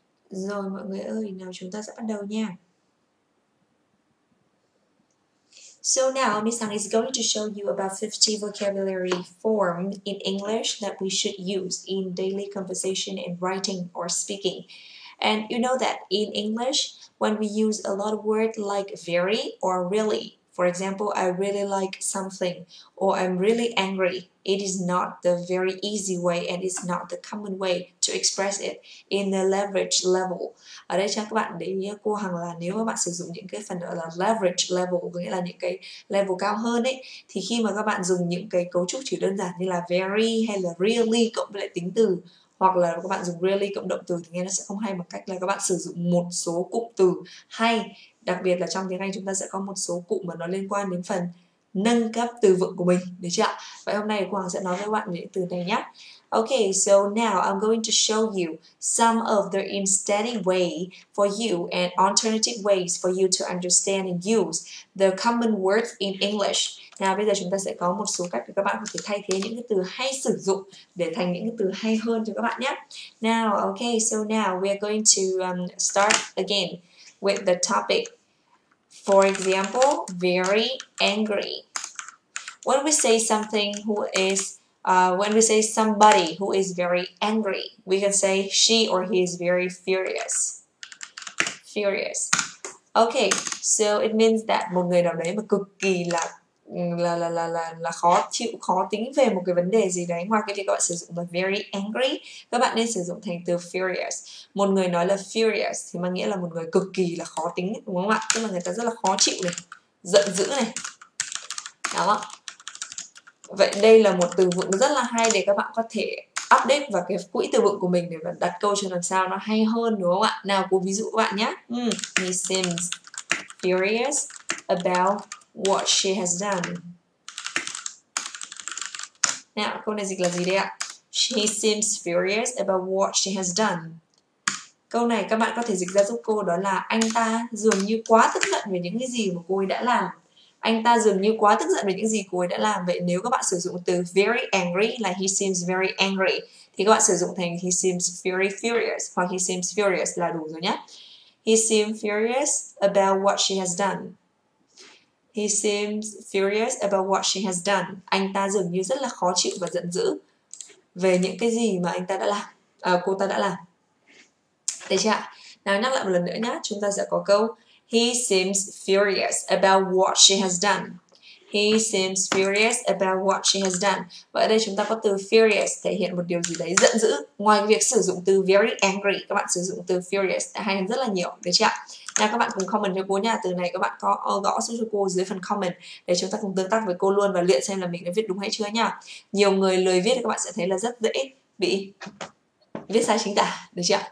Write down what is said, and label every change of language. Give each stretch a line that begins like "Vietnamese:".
Vietnamese: Rồi mọi người ơi, nào chúng ta sẽ bắt đầu nha.
English: So now Miss Hằng is going to show you about 50 vocabulary form in English that we should use in daily conversation and writing or speaking. And you know that in English, when we use a lot of words like very or really, for example, I really like something or I'm really angry, it is not the very easy way and it's not the common way to express it in the leverage level.
Vietnamese: Ở đây cho các bạn để ý cô Hằng là nếu mà bạn sử dụng những cái phần gọi là leverage level, có nghĩa là những cái level cao hơn ấy, thì khi mà các bạn dùng những cái cấu trúc chỉ đơn giản như là very hay là really cộng với lại tính từ, hoặc là các bạn dùng really cộng động từ, thì nghe nó sẽ không hay bằng cách là các bạn sử dụng một số cụm từ hay. Đặc biệt là trong tiếng Anh chúng ta sẽ có một số cụm mà nó liên quan đến phần nâng cấp từ vựng của mình, được chưa ạ? Vậy hôm nay cô Hằng sẽ nói với các bạn những từ này nhé.
English: Okay, so now I'm going to show you some of the instead way for you and alternative ways for you to understand and use the common words in English.
Vietnamese: Now, bây giờ chúng ta sẽ có một số cách để các bạn có thể thay thế những cái từ hay sử dụng để thành những cái từ hay hơn cho các bạn nhé.
English: Now, okay, so now we are going to start again with the topic. For example, very angry. When we say something who is when we say somebody who is very angry, we can say she or he is very furious. Furious. Okay, so it means that
Vietnamese: một người nào đấy mà cực kỳ là khó chịu, khó tính về một cái vấn đề gì đấy. Ngoài cái việc các bạn sử dụng là very angry, các bạn nên sử dụng thành từ furious. Một người nói là furious thì mang nghĩa là một người cực kỳ là khó tính, đúng không ạ? Tức là người ta rất là khó chịu này, giận dữ này. Đó. Vậy đây là một từ vựng rất là hay để các bạn có thể update vào cái quỹ từ vựng của mình để đặt câu cho làm sao nó hay hơn, đúng không ạ? Nào, cô ví dụ các bạn nhé.
English: He seems furious about what she has done.
Vietnamese: Nào, câu này dịch là gì đây ạ?
English: She seems furious about what she has done.
Vietnamese: Câu này các bạn có thể dịch ra giúp cô, đó là anh ta dường như quá tức giận về những cái gì mà cô ấy đã làm. Anh ta dường như quá tức giận về những gì cô ấy đã làm. Vậy nếu các bạn sử dụng từ very angry, là
English: he seems very angry,
Vietnamese: thì các bạn sử dụng thành
English: he seems very furious
Vietnamese: hoặc
English: he seems furious
Vietnamese: là đủ rồi nhé.
English: He seems furious about what she has done. He seems furious about what she has done.
Vietnamese: Anh ta dường như rất là khó chịu và giận dữ về những cái gì mà anh ta đã làm, cô ta đã làm. Đấy chứ ạ? Nào, nhắc lại một lần nữa nhé, chúng ta sẽ có câu
English: he seems furious about what she has done. He seems furious about what she has done.
Vietnamese: Và ở đây chúng ta có từ furious thể hiện một điều gì đấy giận dữ. Ngoài việc sử dụng từ very angry, các bạn sử dụng từ furious hay hơn rất là nhiều, được chưa? Nha, các bạn cùng comment cho cô nha. Từ này các bạn có gõ xuống cho cô dưới phần comment để chúng ta cùng tương tác với cô luôn và luyện xem là mình đã viết đúng hay chưa nha. Nhiều người lười viết thì các bạn sẽ thấy là rất dễ bị viết sai chính tả, được chưa?